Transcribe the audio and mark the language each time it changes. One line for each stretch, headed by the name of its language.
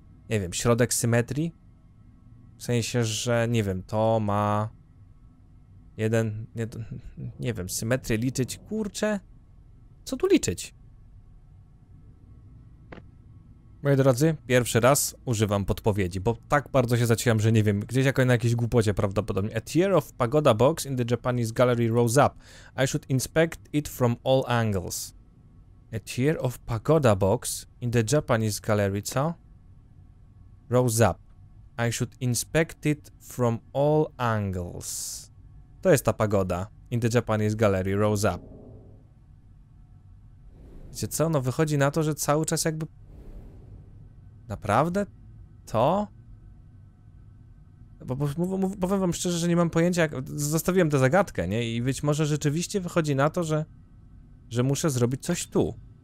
Polish: Nie wiem, środek symetrii? W sensie, że nie wiem, to ma... Jeden... Nie wiem, symetrię liczyć, kurczę... Co tu liczyć? Moi drodzy, pierwszy raz używam podpowiedzi, bo tak bardzo się zaciąłem, że nie wiem, gdzieś jako na jakiejś głupocie prawdopodobnie.
English: A tier of pagoda box in the Japanese gallery rose up. I should inspect it from all angles. A tier of pagoda box in the Japanese gallery,
Polish: co?
English: Rose up. I should inspect it from all angles.
Polish: To jest ta pagoda.
English: In the Japanese gallery, rose up.
Polish: Wiecie co? No wychodzi na to, że cały czas jakby... Naprawdę? To? Powiem wam szczerze, że nie mam pojęcia, jak... Zostawiłem tę zagadkę, nie? I być może rzeczywiście wychodzi na to, że muszę zrobić coś tu.